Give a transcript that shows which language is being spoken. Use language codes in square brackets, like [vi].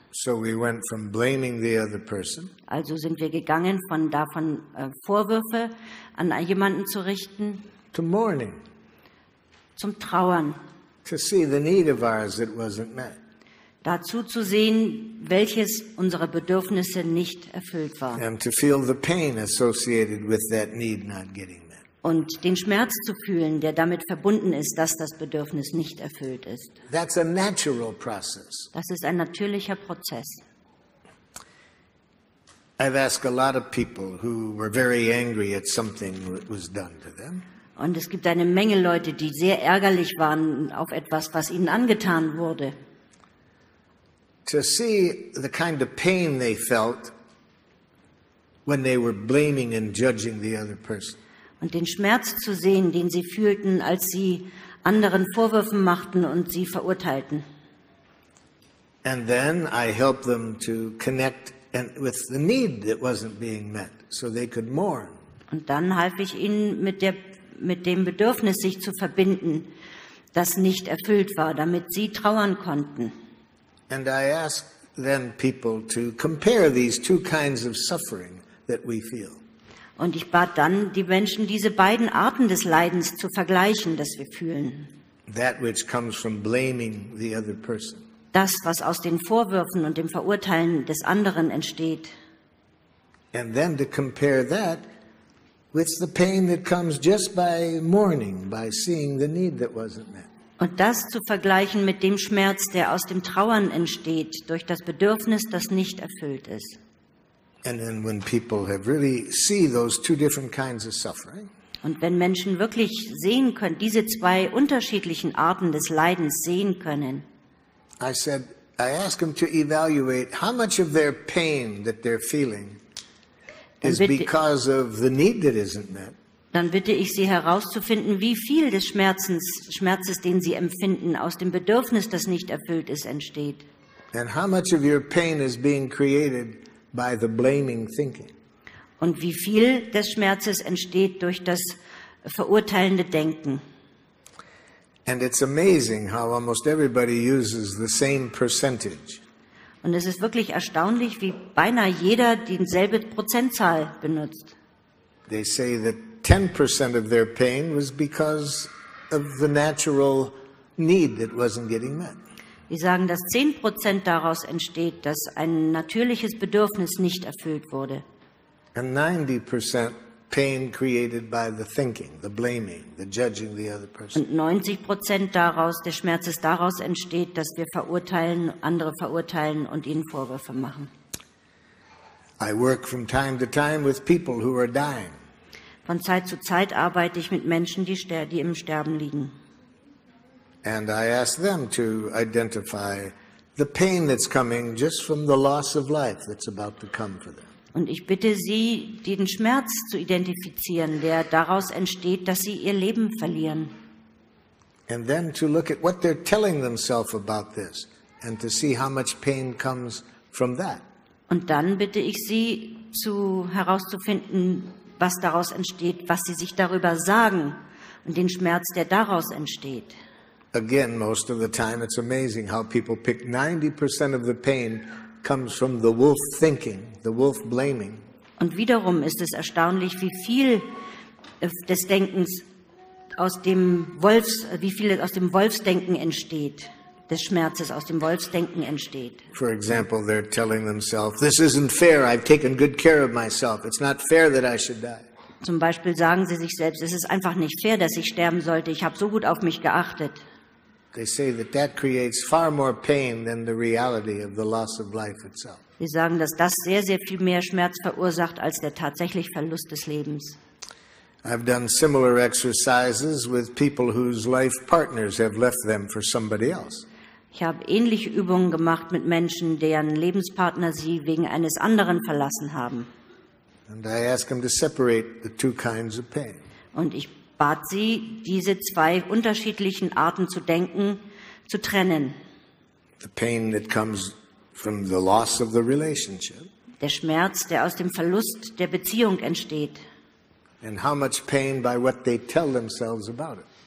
[en] So we went from blaming the other person. [de] Also sind wir gegangen von davon Vorwürfe an jemanden zu richten. [en] To mourning. [de] Zum Trauern. [en] To see the need of ours that wasn't met. [de] Dazu zu sehen, welches unsere Bedürfnisse nicht erfüllt war. [en] And to feel the pain associated with that need not getting met. [de] Und den Schmerz zu fühlen, der damit verbunden ist, dass das Bedürfnis nicht erfüllt ist. [en] That's a natural process. [de] Das ist ein natürlicher Prozess. [en] I've asked a lot of people who were very angry at something that was done to them. [de] Und es gibt eine Menge Leute, die sehr ärgerlich waren auf etwas, was ihnen angetan wurde. [en] To see the kind of pain they felt when they were blaming and judging the other person. [de] Und den Schmerz zu sehen, den sie fühlten, als sie anderen Vorwürfen machten und sie verurteilten. [en] And then I help them to connect and with the need that wasn't being met, so they could mourn. [de] Und dann half ich ihnen mit der mit dem Bedürfnis, sich zu verbinden, das nicht erfüllt war, damit sie trauern konnten. [en] And I asked then people to compare these two kinds of suffering that we feel. [de] Und ich bat dann die Menschen, diese beiden Arten des Leidens zu vergleichen, das wir fühlen. [en] That which comes from blaming the other person. [de] Das, was aus den Vorwürfen und dem Verurteilen des anderen entsteht. [en] And then to compare that with the pain that comes just by mourning, by seeing the need that wasn't met. [de] Und das zu vergleichen mit dem Schmerz, der aus dem Trauern entsteht, durch das Bedürfnis, das nicht erfüllt ist. [en] And then when people have really see those two different kinds of suffering, [de] und wenn Menschen wirklich sehen können, diese zwei unterschiedlichen Arten des Leidens sehen können, [en] I said, I ask them to evaluate how much of their pain that they're feeling is because of the need that isn't met. [de] Dann bitte ich sie herauszufinden, wie viel des Schmerzes, den sie empfinden, aus dem Bedürfnis, das nicht erfüllt ist, entsteht. [en] And how much of your pain is being created by the blaming thinking. [de] Und wie viel des Schmerzes entsteht durch das verurteilende Denken. [en] And it's amazing how almost everybody uses the same percentage. [de] Und es ist wirklich erstaunlich, wie beinahe jeder dieselbe Prozentzahl benutzt. [en] They say that 10% of their pain was because of the natural need that wasn't getting met. [de] Sie sagen, dass 10% daraus entsteht, dass ein natürliches Bedürfnis nicht erfüllt wurde. [en] And 90% pain created by the thinking, the blaming, the judging the other person. [de] Und 90% daraus, der Schmerz ist daraus entsteht, dass wir verurteilen, andere verurteilen und ihnen Vorwürfe machen. [en] I work from time to time with people who are dying. [de] Von Zeit zu Zeit arbeite ich mit Menschen, die im Sterben liegen. [en] And I ask them to identify the pain that's coming just from the loss of life that's about to come for them. [de] Und ich bitte sie, den Schmerz zu identifizieren, der daraus entsteht, dass sie ihr Leben verlieren. [en] And then to look at what they're telling themselves about this and to see how much pain comes from that. [de] Und dann bitte ich sie, herauszufinden, was daraus entsteht, was sie sich darüber sagen und den Schmerz, der daraus entsteht. [en] Again, most of the time, it's amazing how people pick 90% of the pain comes from the wolf thinking, the wolf blaming. [de] Und wiederum ist es erstaunlich, wie viel des Denkens aus dem Wolfs, wie viel aus dem Wolfsdenken entsteht, des Schmerzes aus dem Wolfsdenken entsteht. [en] For example, they're telling themselves, "This isn't fair. I've taken good care of myself. It's not fair that I should die." [de] Zum Beispiel sagen sie sich selbst, es ist einfach nicht fair, dass ich sterben sollte. Ich habe so gut auf mich geachtet. [en] They say that that creates far more pain than the reality of the loss of life itself. [de] Sie sagen, dass das sehr, sehr viel mehr Schmerz verursacht als der tatsächliche Verlust des Lebens. [en] I've done similar exercises with people whose life partners have left them for somebody else. [de] Ich habe ähnliche Übungen gemacht mit Menschen, deren Lebenspartner sie wegen eines anderen verlassen haben. [en] And I ask them to separate the two kinds of pain. [de] Und ich bat sie, diese zwei unterschiedlichen Arten zu denken, zu trennen. [en] The pain that comes from the loss of the relationship. [de] Der Schmerz, der aus dem Verlust der Beziehung entsteht. [en] And how much pain by what they tell themselves about it.